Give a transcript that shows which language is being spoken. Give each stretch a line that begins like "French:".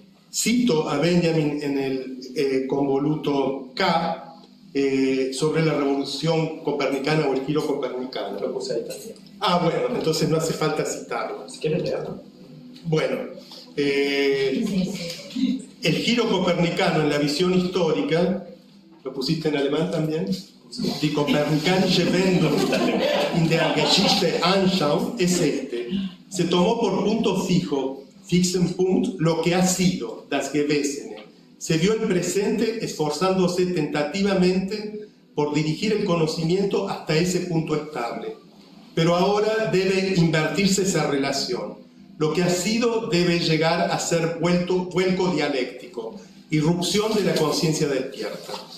Spanish: Cito a Benjamin en el convoluto K sobre la revolución copernicana o el giro copernicano. Lo puse ahí también. Ah, bueno, entonces no hace falta citarlo. Si quieres leerlo. Bueno, el giro copernicano en la visión histórica, ¿lo pusiste en alemán también?
German: Die Copernicanische Wendung in der Geschichte Anschauung
Spanish: es este. Se tomó por punto fijo, Fixenpunkt, lo que ha sido,
German: das Gewesene.
Spanish: Se vio el presente esforzándose tentativamente por dirigir el conocimiento hasta ese punto estable. Pero ahora debe invertirse esa relación. Lo que ha sido debe llegar a ser vuelco dialéctico, irrupción de la conciencia despierta.